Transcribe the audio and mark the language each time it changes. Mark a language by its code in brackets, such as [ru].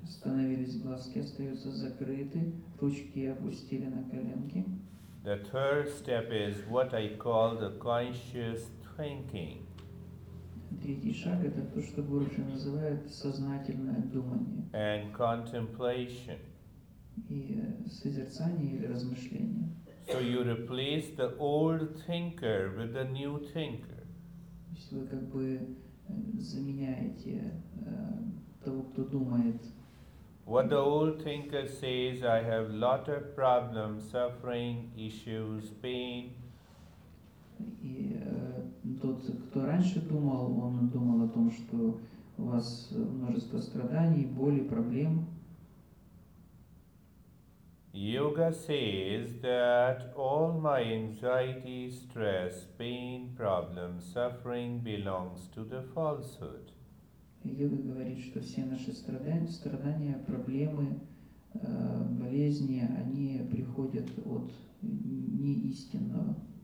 [ru] Становились глазки, остаются закрыты, ручки опустили на коленки. [en] The third step is what I call the conscious thinking. [ru] Третий шаг – это то, что Гуруджи называет сознательное думание. [en] And contemplation. [ru] И созерцание или размышление. [en] So you replace the old thinker with the new thinker. [ru] Вы как бы заменяете того, кто думает. [en] What the old thinker says, I have lot of problems, suffering, issues, pain. [ru] И тот, кто раньше думал, он думал о том, что у вас множество страданий, боли, проблем. [en] Yoga says that all my anxiety, stress, pain, problems, suffering belongs to the falsehood. [ru] Йога говорит, что все наши страдания, проблемы, болезни, они приходят от неистинного.